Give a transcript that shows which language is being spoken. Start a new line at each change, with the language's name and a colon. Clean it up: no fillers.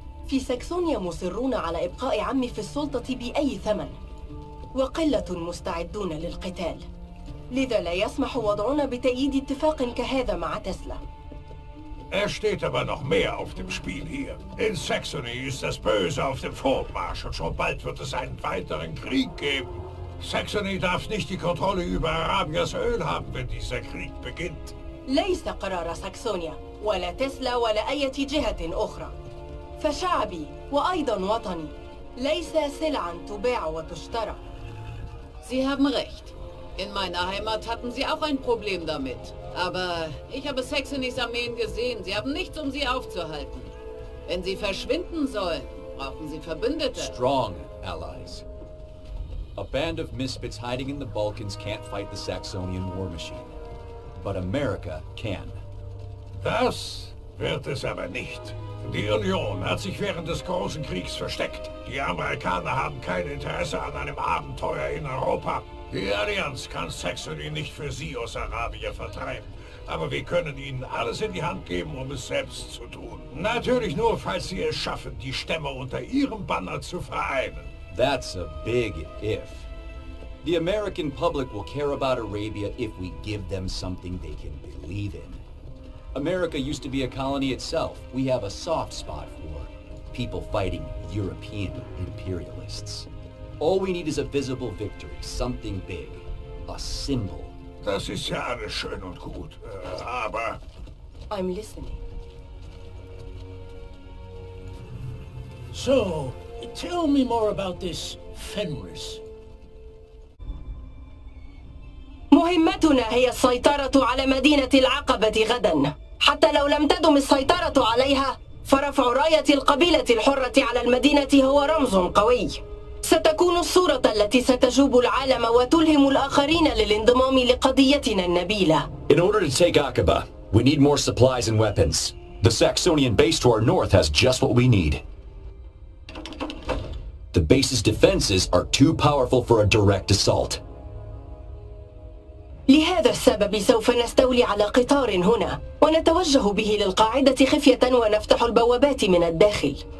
Arabic: في ساكسونيا مصرون على إبقاء عمي في السلطة بأي ثمن وقلة مستعدون للقتال لذا لا يسمح وضعنا بتأييد اتفاق كهذا مع تسلا
German: steht aber noch mehr auf dem Spiel hier. In Saxony ist das Böse auf dem Vormarsch und schon bald wird es einen weiteren Krieg geben. Saxony darf nicht die Kontrolle über Arabias Öl haben, wenn dieser Krieg beginnt.
Arabic: ليس قرار ساكسونيا ولا تسلا ولا أي جهة أخرى. فشعبي وأيضا وطني ليس سلعا تباع وتشترى.
German: Sie haben recht. In meiner Heimat hatten sie auch ein Problem damit. Aber ich habe Saxonys Armeen gesehen. Sie haben nichts, um sie aufzuhalten. Wenn sie verschwinden sollen, brauchen sie Verbündete.
English: Strong allies. A band of misfits hiding in the Balkans can't fight the Saxonian war machine. But America can.
German: Das wird es aber nicht. Die Union hat sich während des Großen Kriegs versteckt. Die Amerikaner haben kein Interesse an einem Abenteuer in Europa. Die Allianz kann Saxony nicht für sie aus Arabien vertreiben. Aber wir können ihnen alles in die Hand geben, um es selbst zu tun. Natürlich nur, falls sie es schaffen, die Stämme unter ihrem Banner zu vereinen.
English: That's a big if. The American public will care about Arabia if we give them something they can believe in. America used to be a colony itself. We have a soft spot for people fighting European imperialists. All we need is a visible victory, something big, a symbol.
German: Das ist ja alles schön und gut, aber...
English: I'm listening. So, tell me more about this Fenris.
Arabic: مهمتنا هي السيطرة على مدينة العقبة غدا. حتى لو لم تدم السيطرة عليها فرفع راية القبيلة الحرة على المدينة هو رمز قوي ستكون الصورة التي ستجوب العالم وتلهم الآخرين للانضمام لقضيتنا النبيلة
English: In order to take Aqaba, we need more supplies and weapons. The Saxonian base to our north has just what we need. The base's defenses are too powerful for a direct assault.
Arabic: لهذا السبب سوف نستولي على قطار هنا ونتوجه به للقاعدة خفية ونفتح البوابات من الداخل.